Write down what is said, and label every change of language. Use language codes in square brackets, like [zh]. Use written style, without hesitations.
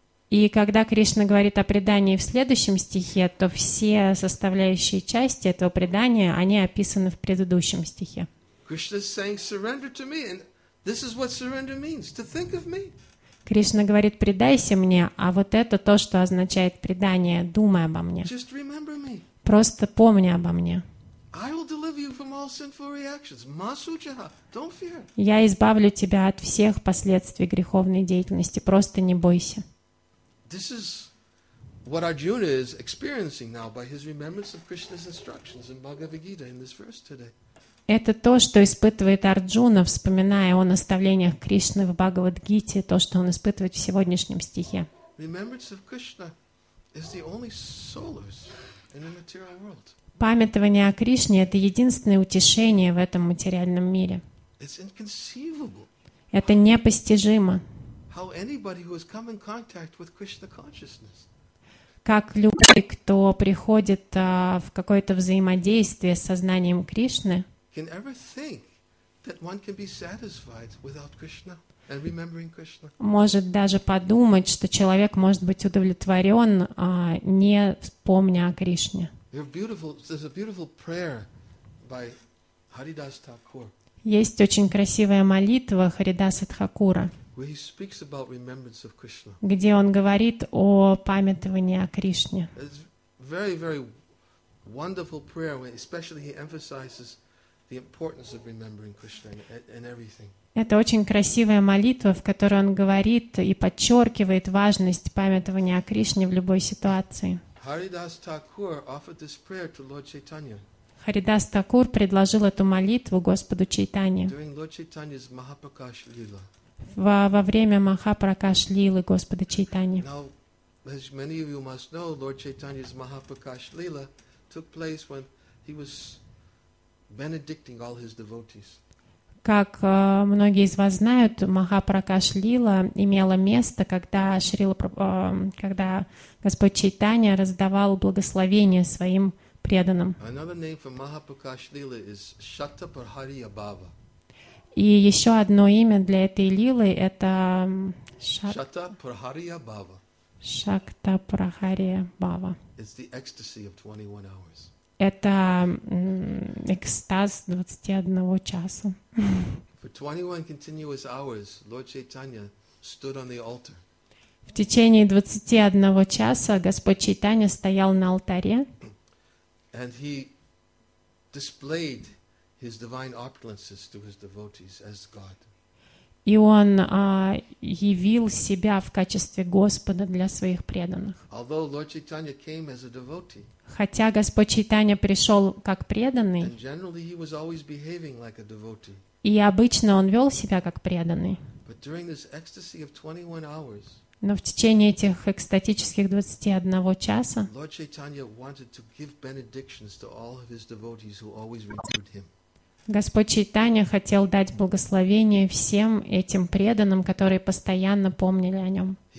[ru] И когда Кришна говорит о предании в следующем стихе, то все составляющие части этого предания, они описаны в предыдущем стихе. Кришна говорит: «Предайся мне», а вот это то, что означает предание, думай обо мне. [en] Just remember me. [ru] Просто помни обо мне. [en] I will deliver you from all sinful reactions. Masujaha, don't fear. [ru] Я избавлю тебя от всех последствий греховной деятельности, просто не бойся. [en] This is what Arjuna is experiencing now by his remembrance of Krishna's instructions in Bhagavad Gita in this verse today. [ru] Это то, что испытывает Арджуна, вспоминая о наставлениях Кришны в Бхагавад-гите, то, что он испытывает в сегодняшнем стихе. [en] Remembrance of Krishna is the only solace in the material world. [ru] Памятование о Кришне — это единственное утешение в этом материальном мире. [en] It's inconceivable. [ru] Это непостижимо. [en] How anybody who has come in contact with Krishna consciousness. [ru] Как любой, кто приходит в какое-то взаимодействие с сознанием Кришны, [en] can ever think that one can be satisfied without Krishna and remembering Krishna? [ru] Может даже подумать, что человек может быть удовлетворен, не вспомня о Кришне. [en] There's a beautiful prayer by Haridas Thakur. [ru] Есть очень красивая молитва Харидаса Тхакура, [en] where he speaks about remembrance of Krishna. [ru] Где он говорит о памятовании о Кришне. [en] It's very, very wonderful prayer, where especially he emphasizes the importance of remembering Krishna and everything. [ru] Это очень красивая молитва, в которой он говорит и подчеркивает важность памятования о Кришне в любой ситуации. [en] Haridas Thakur offered this prayer to Lord Chaitanya. [ru] Харидас Такур предложил эту молитву Господу Чайтанье. [en] During Lord Chaitanya's Mahaprakash Lila. [ru] Во время Махапракаш Лилы Господа Чайтани. [en] Now, as many of you must know, Lord Chaitanya's Mahaprakash Lila took place when he was benedicting all his devotees. [ru] Как многие из вас знают, Махапракаш Лила имела место, когда когда Господь Чайтанья раздавал благословения своим преданным. [en] Another name for Mahaprakash Lila is Shatapurhari Abhava. [ru] И еще одно имя для этой лилы — это Шактапрахария Бхава. Шактапрахария Бхава. [en] It's the ecstasy of 21 hours. [ru] Это экстаз 21 часа. [en] For 21 continuous hours, Lord Chaitanya stood on the altar. [ru] В течение 21 часа Господь Чайтанья стоял на алтаре. [en] And he displayed his divine opulences to his devotees as God. [ru] И он явил себя в качестве Господа для своих преданных. [en] Although Lord Chaitanya came as a devotee. [ru] Хотя Господь Чайтанья пришел как преданный. [en] And generally he was always behaving like a devotee. [ru] И обычно он вел себя как преданный. [en] But during this ecstasy of 21 hours. [ru] Но в течение этих экстатических 21 часа. [en] Lord Chaitanya wanted to give benedictions to all of his devotees who always remembered him. [ru] Господь Чайтанья хотел дать благословение всем этим преданным, которые постоянно помнили о нем.